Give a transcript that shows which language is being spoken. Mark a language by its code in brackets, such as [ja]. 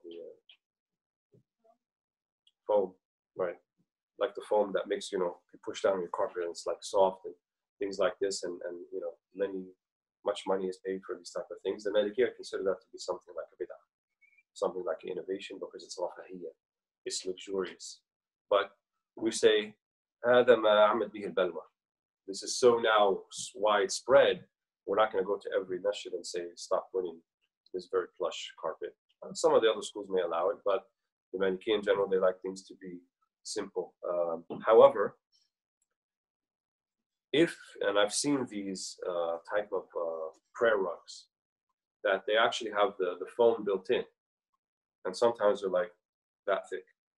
[en] The foam, right? Like the foam that makes, you know, you push down your carpet and it's like soft and things like this, and you know, Lenny much money is paid for these type of things. The Medicare consider that to be something like a bid'ah, something like an innovation, because it's rahiyya, it's luxurious. [ar] But we say, هذا ما عمل به البلوى. [en] This is so now widespread, we're not going to go to every masjid and say, stop putting this very plush carpet. Some of the other schools may allow it, but the Maliki in general, they like things to be simple. However, if, and I've seen these type of prayer rugs, that they actually have the foam built in, and sometimes they're like that thick.